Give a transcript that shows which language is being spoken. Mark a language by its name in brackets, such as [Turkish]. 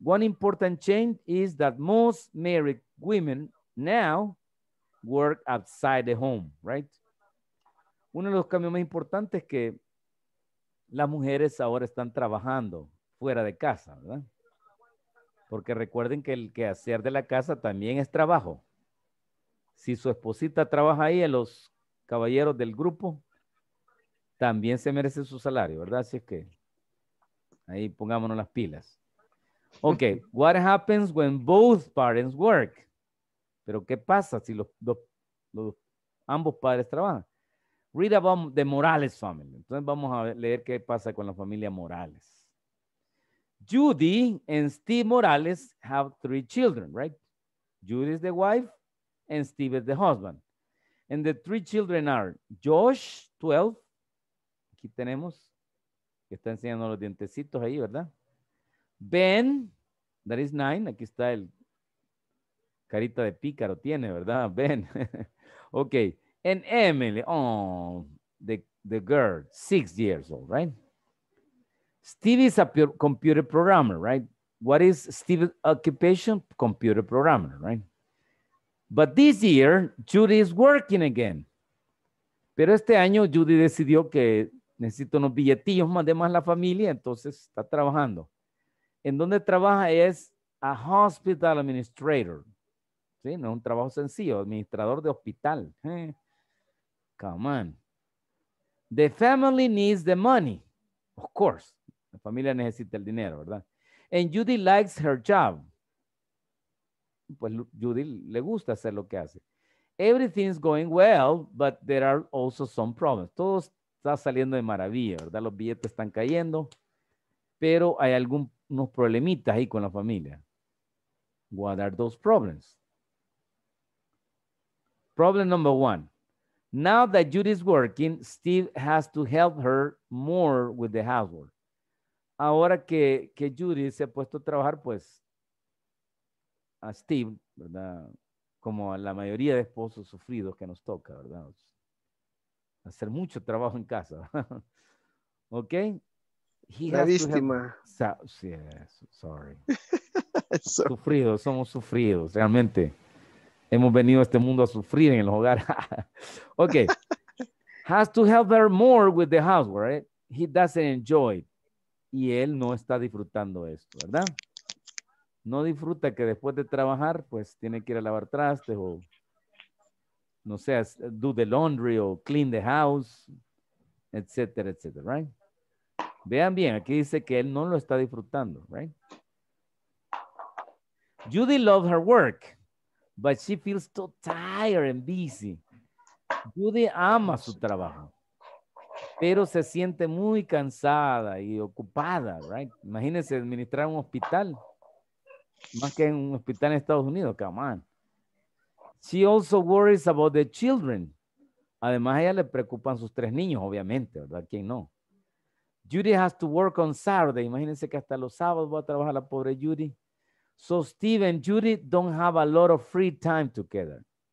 [English] One important change is that most married women now work outside the home, right? [Spanish] Uno de los cambios más importantes es que las mujeres ahora están trabajando fuera de casa, ¿verdad? Porque recuerden que el quehacer de la casa también es trabajo. Si su esposita trabaja ahí, los caballeros del grupo, también se merece su salario, ¿verdad? Así es que ahí pongámonos las pilas. [English] Ok, what happens when both parents work? [Spanish] ¿Pero qué pasa si ambos padres trabajan? [English] Read about the Morales family. [Spanish] Entonces vamos a leer qué pasa con la familia Morales. [English] Judy and Steve Morales have three children, right? Judy is the wife and Steve is the husband. And the three children are Josh, 12. [Spanish] Aquí tenemos, que está enseñando los dientecitos ahí, ¿verdad? Ben, [English] that is 9. [Spanish] Aquí está el carita de pícaro tiene, ¿verdad? [English] Ben. Ok. And Emily, oh, the girl, 6 years old, right? Steve is a computer programmer, right? What is Steve's occupation? Computer programmer, right? But this year, Judy is working again. [Spanish] Pero este año, Judy decidió que necesito unos billetillos, mandé más la familia, entonces está trabajando. En donde trabaja es [English] a hospital administrator. [Spanish] ¿Sí? No es un trabajo sencillo, administrador de hospital. [English] Come on. The family needs the money. Of course. [Spanish] La familia necesita el dinero, ¿verdad? [English] And Judy likes her job. [Spanish] Pues Judy le gusta hacer lo que hace. [English] Everything's going well, but there are also some problems. [Spanish] Todo está saliendo de maravilla, ¿verdad? Los billetes están cayendo, pero hay algunos problemitas ahí con la familia. [English] What are those problems? Problem number one. Now that Judy's working, Steve has to help her more with the housework. [Spanish] Ahora que Judy se ha puesto a trabajar, pues, a Steve, ¿verdad? Como a la mayoría de esposos sufridos que nos toca, ¿verdad? Hacer mucho trabajo en casa. ¿Ok? La víctima. Sorry. Sufridos, somos sufridos, realmente. Hemos venido a este mundo a sufrir en el hogar. Ok. [English] Has to help her more with the housework, right? He doesn't enjoy it. [Spanish] Y él no está disfrutando esto, ¿verdad? No disfruta que después de trabajar, pues tiene que ir a lavar trastes o, no sé, [English] do the laundry [Spanish] o [English] clean the house, [Spanish] etcétera, etcétera, right? Vean bien, aquí dice que él no lo está disfrutando, right? [English] Judy loves her work, but she feels too tired and busy. [Spanish] Judy ama su trabajo, pero se siente muy cansada y ocupada, right? Imagínense administrar un hospital. Más que en un hospital en Estados Unidos, [English] come on. She also worries about the children. [Spanish] Además, a ella le preocupan sus tres niños, obviamente, ¿verdad? ¿Quién no? [English] Judy has to work on Saturday. [Spanish] Imagínense que hasta los sábados va a trabajar la pobre Judy. [English] So Steve and Judy don't have a lot of free time together.